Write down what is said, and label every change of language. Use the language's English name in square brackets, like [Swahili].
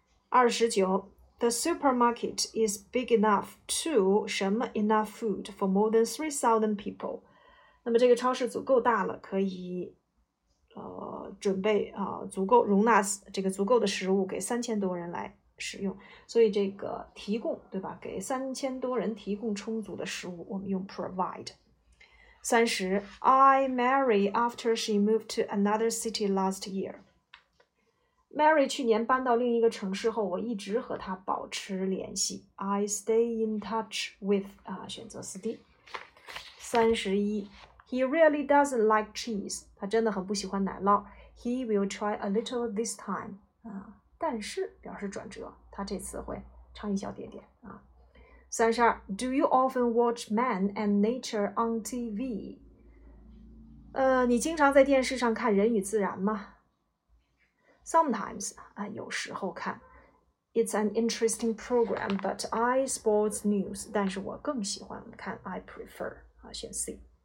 [English] 29, The supermarket is big enough to [Chinese] 什么 [English] enough food for more than 3,000 people. [Chinese] 那么这个超市足够大了可以准备足够容纳这个足够的食物给3000多人来使用。所以这个提供对吧给3000多人提供充足的食物我们用 provide。 [English] 30, I married after she moved to another city last year. [Chinese] Mary 去年搬到另一个城市后我一直和她保持联系。 [English] I stay in touch with, [Chinese] 选择 [English] 4D。 31, he really doesn't like cheese. [Chinese] 他真的很不喜欢奶酪。 [English] He will try a little this time. [Chinese] 但是表示转折他这次会尝一小点点。 [English] 32, do you often watch Man and Nature on TV? [Chinese] 你经常在电视上看人与自然吗 [English] Sometimes, [Chinese] 有时候看 [English] It's an interesting program, but I sports news, [Chinese] 但是我更喜欢看 [English] I prefer, 选 C.